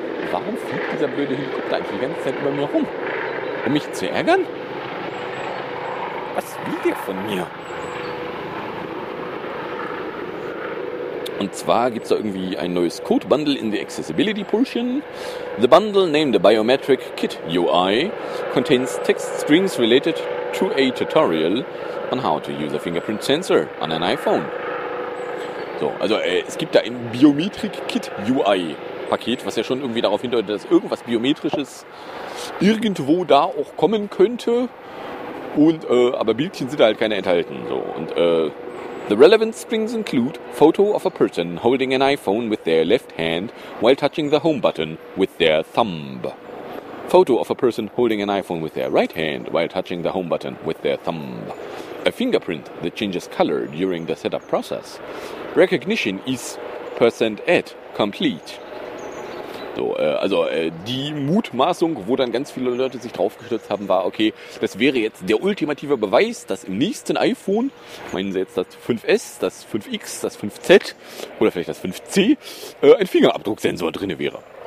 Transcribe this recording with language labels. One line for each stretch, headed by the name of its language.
German: Warum fliegt dieser blöde Helikopter eigentlich die ganze Zeit über mir rum? Um mich zu ärgern? Was will der von mir? Und zwar gibt es da irgendwie ein neues Code-Bundle
English: in the Accessibility Portion. The bundle named the Biometric Kit UI contains text strings related to a tutorial on how to use a fingerprint sensor on an iPhone.
German: So, also es gibt da ein Biometric Kit UI Paket, was ja schon irgendwie darauf hindeutet, dass irgendwas Biometrisches irgendwo da auch kommen könnte. Und, aber Bildchen sind da halt keine enthalten. So, und,
English: the relevant strings include photo of a person holding an iPhone with their left hand while touching the home button with their thumb. Photo of a person holding an iPhone with their right hand while touching the home button with their thumb. A fingerprint that changes color during the setup process. Recognition is percent at complete.
German: So, die Mutmaßung, wo dann ganz viele Leute sich draufgestürzt haben, war, okay, das wäre jetzt der ultimative Beweis, dass im nächsten iPhone, meinen Sie jetzt das 5S, das 5X, das 5Z oder vielleicht das 5C, ein Fingerabdrucksensor drin wäre.